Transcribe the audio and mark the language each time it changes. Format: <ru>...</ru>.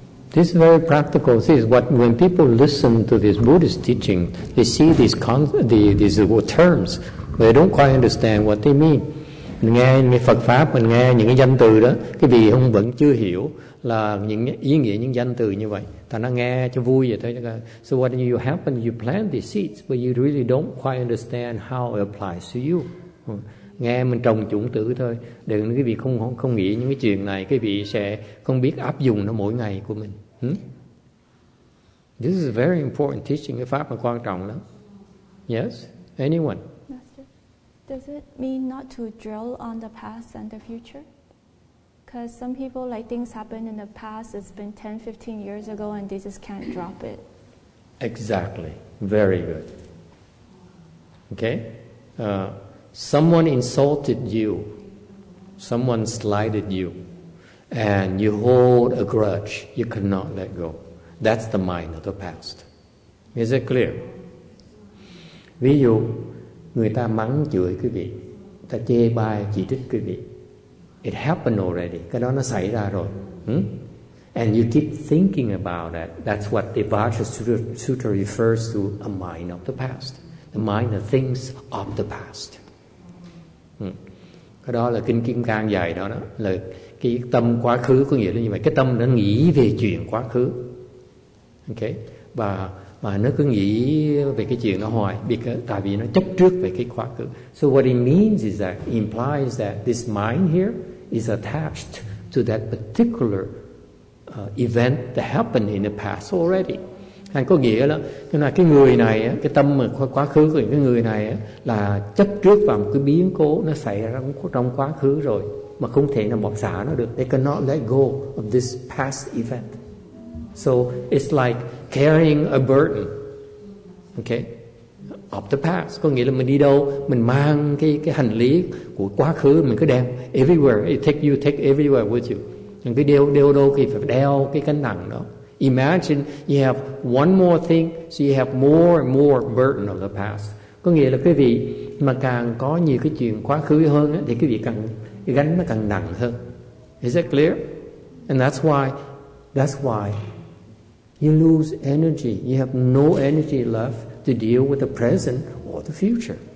<en>This is very practical. This is what when people listen to this Buddhist teaching, they see these terms, but they don't quite understand what they mean.</en> <vi>Mình nghe cái Phật pháp, mình nghe những cái danh từ đó, cái vị ông vẫn chưa hiểu là những ý nghĩa những danh từ như vậy. Thành nó nghe cho vui vậy thôi.</vi> <en>So what you happen, you plant these seeds, but you really don't quite understand how it applies to you.</en> <vi>Nghe mình trồng chủng tử thôi, đừng cái vị không nghĩ những cái chuyện này, cái vị sẽ không biết áp dụng nó mỗi ngày của mình.</vi> <en>This is a very important teaching.</en> <vi>Cái pháp mà quan trọng lắm.</vi> <en>Yes, anyone? Master, does it mean not to dwell on the past and the future? Because some people like things happen in the past, it's been 10-15 years ago and they just can't drop it. Exactly, very good. Okay. Someone insulted you, someone slighted you, and you hold a grudge you cannot let go. That's the mind of the past. Is it clear?</en> <vi>Ví dụ, người ta mắng chửi quý vị, ta chê bai chỉ trích quý vị.</vi> <en>It happened already.</en> <vi>Cái đó nó xảy ra rồi.</vi> <en>And you keep thinking about that. That's what the Vajrasutra Sutra refers to, a mind of the past. The mind of things of the past.</en> <vi>Cái đó là kinh Kim Cang dạy đó, đó là cái tâm quá khứ, có nghĩa là như vậy, cái tâm nó nghĩ về chuyện quá khứ, ok, và nó cứ nghĩ về cái chuyện nó hoài, tại vì nó chấp trước về cái quá khứ.</vi> <en>So what it means is that implies that this mind here is attached to that particular event that happened in the past already.</en> <vi>Anh có nghĩa là cái người này, cái tâm mà quá khứ của cái người này là chấp trước vào một cái biến cố nó xảy ra trong quá khứ rồi mà không thể nào bỏ xả nó được.</vi> <en>They cannot let go of this past event. So it's like carrying a burden, okay, of the past.</en> <vi>Có nghĩa là mình đi đâu, mình mang cái hành lý của quá khứ, mình cứ đem everywhere.</vi> <en>You take everywhere with you.</en> <vi>Mình cứ đeo đâu thì phải đeo cái gánh nặng đó.</vi> <en>Imagine you have one more thing, so you have more and more burden of the past.</en> <vi>Có nghĩa là quý vị mà càng có nhiều cái chuyện quá khứ hơn á, thì quý vị càng gánh nó càng nặng hơn.</vi> <en>Is that clear? And that's why you lose energy. You have no energy left to deal with the present or the future.</en>